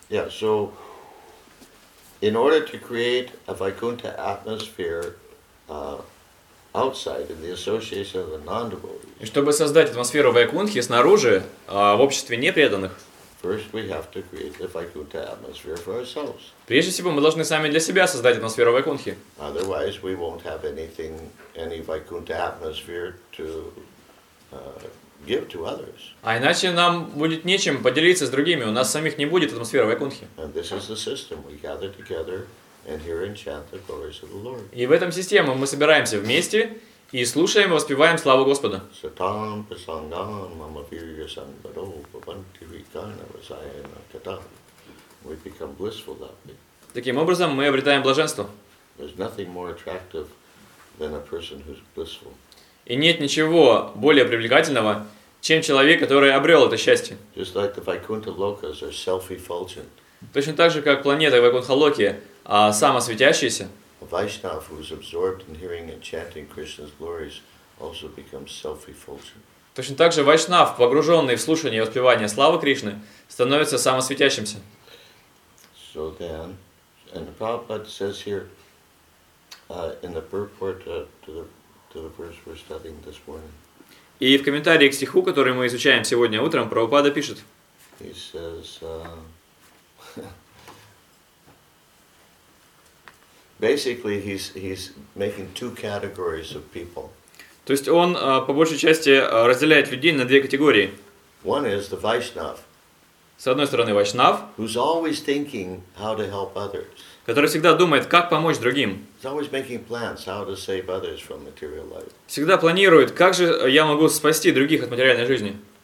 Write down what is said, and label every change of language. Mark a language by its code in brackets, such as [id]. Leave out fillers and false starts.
[en] So, in order to create a Vaikuntha atmosphere outside in the association of the non-devotees. [ru] И чтобы создать атмосферу Вайкунтхи снаружи, в обществе непреданных, [en] first we have to create the Vaikuntha atmosphere for ourselves. [ru] Прежде всего, мы должны сами для себя создать атмосферу Вайкунтхи. [en] Otherwise, we won't have anything, any Vaikuntha atmosphere to give to others. [ru] А иначе нам будет нечем поделиться с другими, у нас самих не будет атмосферы Вайкунтхи. [en] And this is the system. We gather together and hear and chant the glories of the Lord. [ru] И в этом системе мы собираемся вместе и слушаем и воспеваем славу Господа. [sa] Сатам пасангам мамавирья сангаро бабантирикана васайна ката. [en] We become blissful that way. [ru] Таким образом, мы обретаем блаженство. [en] There's nothing more attractive than a person who's blissful. [ru] И нет ничего более привлекательного, чем человек, который обрел это счастье. [en] Just like the Vaikuntha lokas are self-effulgent. [ru] Точно так же, как планета Вайкунтха Локи, самосветящаяся. [en] Vaishnav, who is absorbed in hearing and chanting Krishna's glories, also becomes self-effulgent. [ru] Точно так же Вайшнав, погруженный в слушание и воспевание славы Кришны, становится самосветящимся. [en] So then, and the Prabhupada says here, in the purport to the verse we're studying this morning. [ru] И в комментарии к стиху, который мы изучаем сегодня утром, Прабхупада пишет. [en] He says, basically, he's making two categories of people. [ru] То есть он по большей части разделяет людей на две категории. [en] One is the Vaishnav. [ru] С одной стороны, Вайшнав, [en] who's always thinking how to help others. [ru] который всегда думает, как помочь другим. Всегда планирует, как же я могу спасти других от материальной жизни.